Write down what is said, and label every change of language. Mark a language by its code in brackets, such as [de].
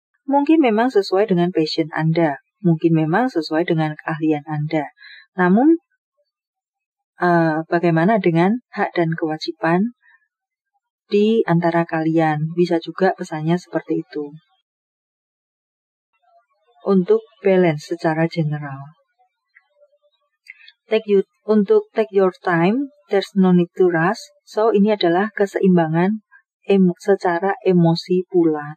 [id] Mungkin memang sesuai dengan passion Anda, mungkin memang sesuai dengan keahlian Anda. Namun, bagaimana dengan hak dan kewajiban di antara kalian, bisa juga pesannya seperti itu. Untuk balance secara general. [en] Take your time, there's no need to rush. [id] So, ini adalah keseimbangan secara emosi pula.